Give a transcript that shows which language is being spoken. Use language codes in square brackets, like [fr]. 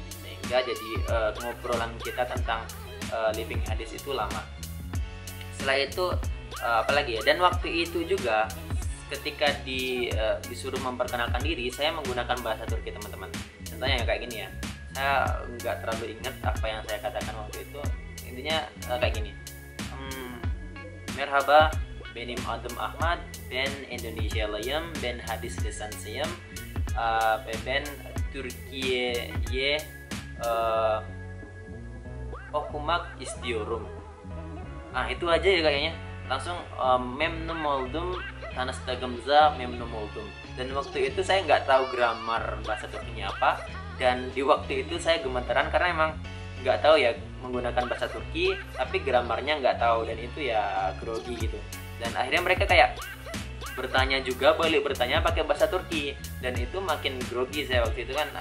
[id] Sehingga jadi ngobrolan kita tentang Living Hadis itu lama. Setelah itu, apalagi ya, dan waktu itu juga ketika disuruh memperkenalkan diri, saya menggunakan bahasa Turki teman-teman. Contohnya kayak gini ya, saya nggak terlalu ingat apa yang saya katakan waktu itu. Intinya kayak gini, [tr] merhaba, benim adım Ahmad, ben Indonesialıyım, ben hadis lisansıyım, ben Türkiye'ye okumak istiyorum. [id] Ah itu aja ya kayaknya. Langsung [tr] memnun oldum, tanas tegemza memnun oldum. [id] Dan waktu itu saya nggak tahu grammar bahasa Turkinya apa. Dan di waktu itu saya gemeteran karena emang nggak tahu ya menggunakan bahasa Turki, tapi grammarnya nggak tahu, dan itu ya grogi gitu. Dan akhirnya mereka kayak bertanya juga, balik bertanya pakai bahasa Turki, dan itu makin grogi saya waktu itu kan.